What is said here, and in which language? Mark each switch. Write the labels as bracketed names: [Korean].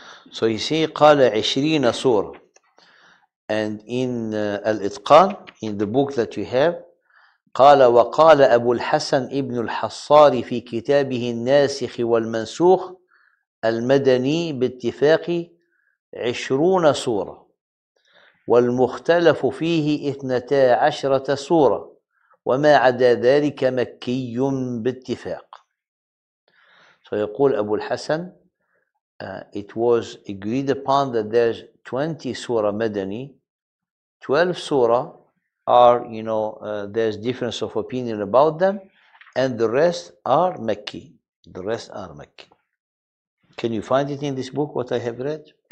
[English] So you see, [Arabic] قَالَ 20 سُورَ. [English] And in Al-Itqan, in the book that you have, [Arabic] قَالَ وَقَالَ أَبُو الْحَسَنِ إِبْنُ الْحَصَّارِ فِي كِتَابِهِ النَّاسِخِ وَالْمَنْسُوخِ الْمَدَنِي بِاتِّفَاقِ 20 سُورَ وَالْمُخْتَلَفُ فِيهِ 12 سُورَ وَمَا عَدَى ذَلِكَ مَكِّيٌّ بِاتِّفَاقِ. [English] So [Arabic] يقول أبو الحسن, [English] it was agreed upon that there's 20 surah Madani, 12 surah are, you know, there's difference of opinion about them, and the rest are Makki. The rest are Makki. Can you find it in this book, what I have read?